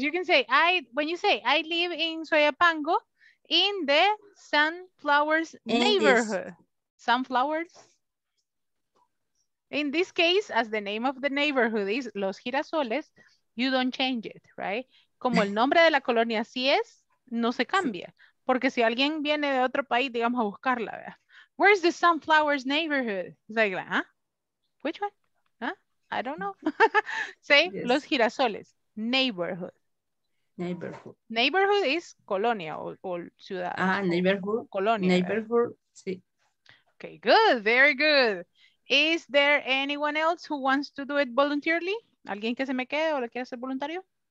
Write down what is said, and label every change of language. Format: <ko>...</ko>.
<en>You can say, when you say, I live in Soyapango, in the sunflowers neighborhood. Sunflowers. In this case, as the name of the neighborhood is Los Girasoles, you don't change it, right?</en> <es>Como el nombre de la colonia así es, no se cambia. Porque si alguien viene de otro país, digamos, a buscarla, ¿verdad?</es> <en>Where's the sunflowers neighborhood? It's like, huh? Which one? Huh? I don't know. Say, yes. Los Girasoles. Neighborhood. Neighborhood. Neighborhood is colonia or ciudad. Ah, neighborhood.</en> <es>Colonia.</es> <en>Neighborhood, sí. Okay, good. Very good. Is there anyone else who wants to do it voluntarily?</en> <es>¿Alguien que se me quede o le quiere hacer voluntario?</es>